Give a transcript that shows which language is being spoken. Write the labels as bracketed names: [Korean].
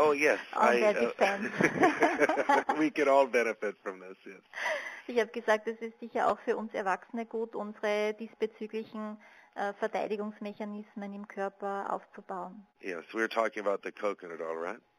[English] Oh yes, on I. Their defense. We could all benefit from this. Yes. [German] Ich habe gesagt, es ist sicher auch für uns Erwachsene gut, unsere diesbezüglichen Verteidigungsmechanismen im Körper aufzubauen. [English] Yes, we're talking about the coconut oil, right?